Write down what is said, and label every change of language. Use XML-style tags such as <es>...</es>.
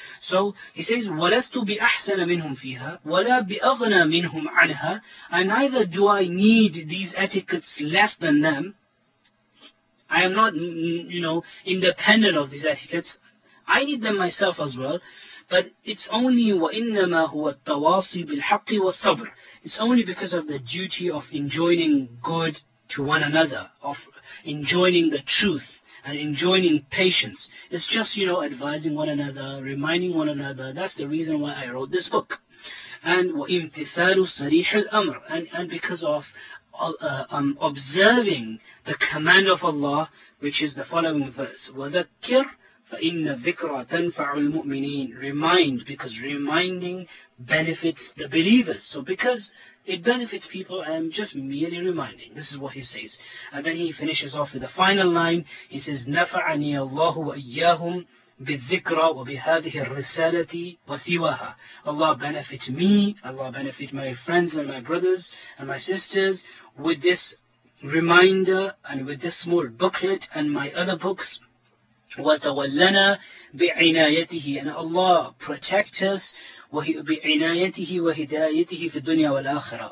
<en>So, he says,</en> <ar>وَلَسْتُ بِأَحْسَنَ مِنْهُمْ فِيهَا وَلَا بِأَغْنَى مِنْهُمْ عَنْهَا,</ar> <en>and neither do I need these etiquettes less than them. I am not, independent of these etiquettes. I need them myself as well. But it's only</en> <ar>وَإِنَّمَا هُوَ التَّوَاصِي بِالْحَقِّ وَالصَّبْرِ.</ar> <en>It's only because of the duty of enjoining good to one another, of enjoining the truth and enjoining patience. It's just, advising one another, reminding one another. That's the reason why I wrote this book.</en> <ar>And وَإِمْتِثَالُ صَرِيحِ الْأَمْرِ.</ar> <en>And because of observing the command of Allah, which is the following verse,</en> <ar>وَذَكِّرْ فَإِنَّ الذِّكْرَ تَنْفَعُ الْمُؤْمِنِينَ.</ar> <en>Remind, because reminding benefits the believers. So because it benefits people, I am just merely reminding. This is what he says. And then he finishes off with the final line. He says,</en> <ar>نَفَعَنِي اللَّهُ وَإِيَّاهُمْ بِالذِّكْرَ وَبِهَذِهِ الرِّسَالَةِ وَسِوَاهَا.</ar> <en>Allah benefit me, Allah benefit my friends and my brothers and my sisters with this reminder and with this small booklet and my other books.</en> <ar>وَتَوَلَّنَا بِعِنَايَتِهِ,</ar> <en>and Allah protect us</en> <ar>بِعِنَايَتِهِ وَهِدَايَتِهِ فِي الدُّنْيَا وَالْآخِرَةِ.</ar>